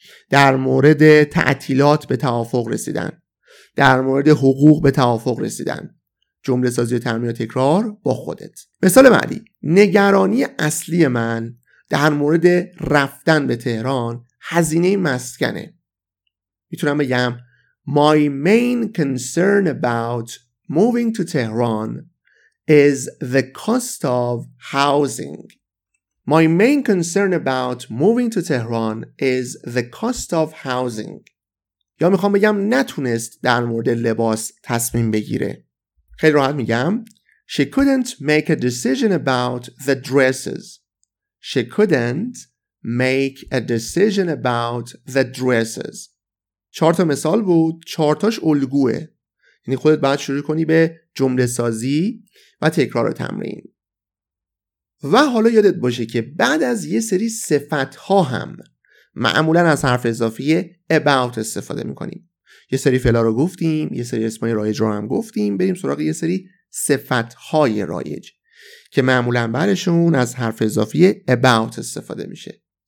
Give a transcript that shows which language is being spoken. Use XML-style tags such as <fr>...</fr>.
<fa>در مورد تعطیلات به توافق رسیدن. در مورد حقوق به توافق رسیدن. جمله سازی و تمرین و تکرار با خودت. مثال بعدی. نگرانی اصلی من در مورد رفتن به تهران هزینه مسکنه. میتونم بگم</fa> <en>My main concern about moving to Tehran is the cost of housing. My main concern about moving to Tehran is the cost of housing.</en> <fa>یا میخوام بگم نتونست در مورد لباس تصمیم بگیره. خیلی راحت میگم</fa> <en>She couldn't make a decision about the dresses. She couldn't make a decision about the dresses.</en> <fa>چهار تا مثال بود. چهار تاش الگوه. یعنی خودت باید شروع کنی به جمله سازی و تکرار و تمرین. و حالا یادت باشه که بعد از یه سری صفت ها هم معمولا از حرف اضافی about استفاده میکنیم. یه سری فعلا رو گفتیم، یه سری اسمای رایج رو هم گفتیم، بریم سراغ یه سری صفت های رایج که معمولا برشون از حرف اضافی about استفاده میشه.</fa>